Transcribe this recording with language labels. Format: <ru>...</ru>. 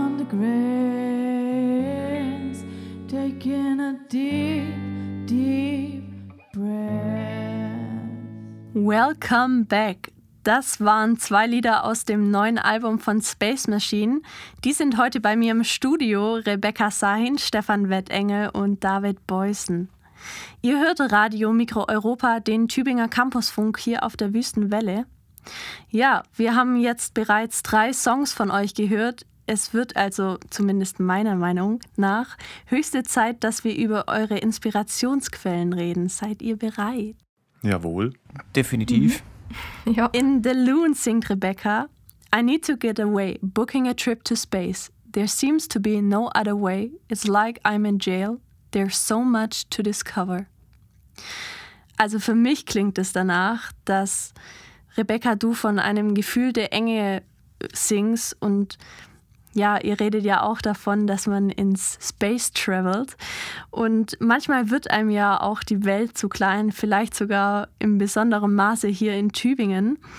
<en>grace, taking a deep breath. Welcome back.</en> <de>Das waren zwei Lieder aus dem neuen Album von Space Machine. Die sind heute bei mir im Studio, Rebecca Sahin, Stefan Wettengel und David Beusen. Ihr hört Radio Mikro Europa, den Tübinger Campusfunk hier auf der Wüstenwelle. Ja, wir haben jetzt bereits drei Songs von euch gehört. Es wird also, zumindest meiner Meinung nach, höchste Zeit, dass wir über eure Inspirationsquellen reden. Seid ihr bereit? Jawohl. Definitiv. Mhm. Ja.</de> <en>In The Loon</en> <de>singt</de> <en>Rebecca, I need to get away, booking a trip to space. There seems to be no other way. It's like I'm in jail. There's so much to discover.</en> <de>Also für mich klingt es danach, dass Rebecca, du von einem Gefühl der Enge singst und ja, ihr redet ja auch davon, dass man ins Space travelt. Und manchmal wird einem ja auch die Welt zu klein, vielleicht sogar im besonderen Maße hier in Tübingen.</de>